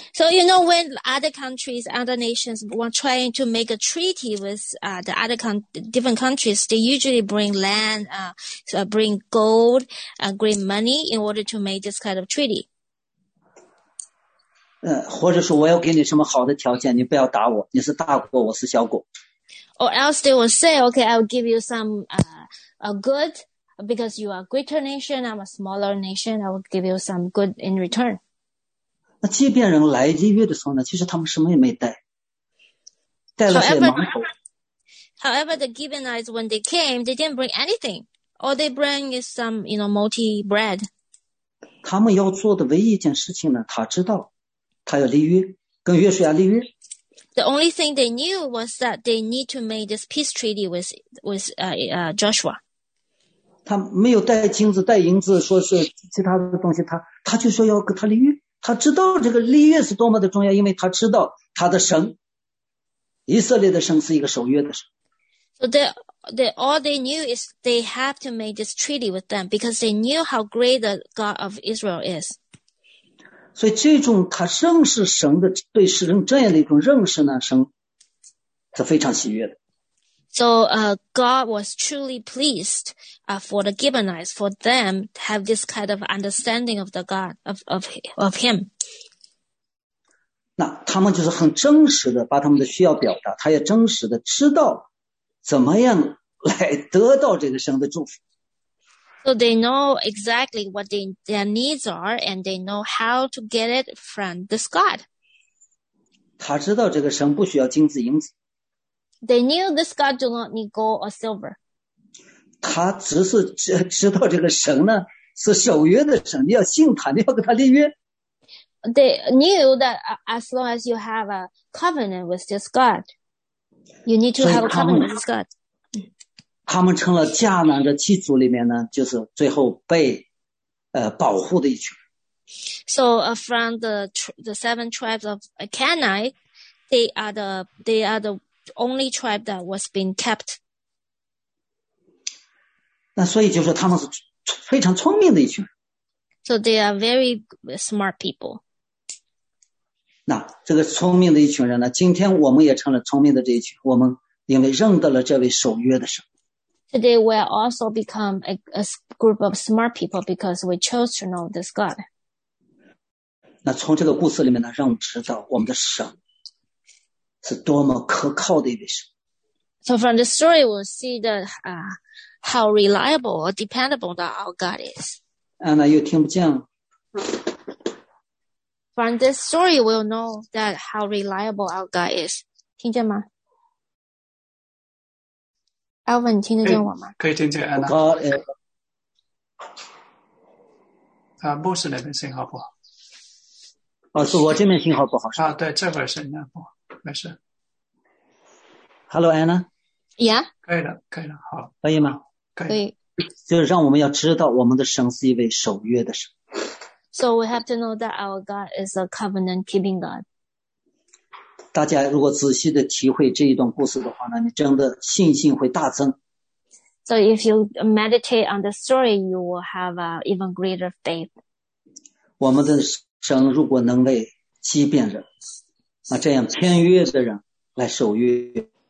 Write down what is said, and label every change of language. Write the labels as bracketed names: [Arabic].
[English] So you know when other countries, other nations were trying to make a treaty with the other different countries, they usually bring land, bring gold, green money in order to make this kind of treaty. [Chinese] 或者说我要给你什么好的条件，你不要打我，你是大国，我是小国。 [English] Or else they will say, okay, I'll give you some good because you are a greater nation, I'm a smaller nation, I will give you some good in return. [Chinese] 那即便人来立约的时候呢，其实他们什么也没带，带了些馒头。 [English] However, the Gibeonites when they came, they didn't bring anything. All they bring is some, you know, malty bread. [Chinese] 他们要做的唯一一件事情呢，他知道，他要立约，跟约书亚立约。 [English] The only thing they knew was that they need to make this peace treaty with Joshua. [Chinese] 他没有带金子、带银子，说是其他的东西，他就说要跟他立约。他知道这个立约是多么的重要，因为他知道他的神，以色列的神是一个守约的神。 [English] So they all they knew is they have to make this treaty with them because they knew how great the God of Israel is. [Chinese] 所以这种他认识神的对世人这样的一种认识呢，神是非常喜悦的。 [English] So God was truly pleased for the Gibeonites, for them to have this kind of understanding of the God, of him. [Chinese] 那他们就是很真实的把他们的需要表达，他也真实的知道怎么样来得到这个神的祝福。 [English] So they know exactly what their needs are, and they know how to get it from this God. [Chinese] 他知道这个神不需要金子银子。 [English] They knew this God do not need gold or silver. [Chinese] 他只是知道这个神呢是守约的神，你要信他，你要跟他立约。 [English] They knew that as long as you have a covenant with this God, you need to have a covenant with this God. [Chinese] 他们成了迦南的七族里面呢，就是最后被保护的一群。 [English] So from the seven tribes of Canaan, they are the only tribe that was being kept. [Chinese] 那所以就是他们是非常聪明的一群。 [English] So they are very smart people. [Chinese] 这个聪明的一群人呢，今天我们也成了聪明的这一群，我们因为认得了这位守约的神。 [English] Today we also become a group of smart people because we chose to know this God. [Chinese] 那从这个故事里面呢，让我们知道我们的神是多么可靠的一位神。 [English] So from the story, we'll see the, how reliable or dependable that our God is. [Chinese] Anna, 又听不见了。 [English] From this story, we'll know that how reliable our God is. [Chinese] 听见吗？ Alvin, 听得见我吗？可以听见 Anna. [English] God is... [Chinese] 啊，牧师那边信号不好。哦，是我这边信号不好。啊，对，这边信号不好，没事。 [English] Hello, Anna. Yeah， [Chinese] 可以的，可以的，好，可以吗？可以，就是让我们要知道我们的神是一位守约的神。 [English] So we have to know that our God is a covenant-keeping God. [Chinese] 大家如果仔细的体会这一段故事的话呢，你真的信心会大增。 [English] So if you meditate on the story, you will have an even greater faith. [Chinese] 我们的神如果能为畸变人，那这样签约的人来守约。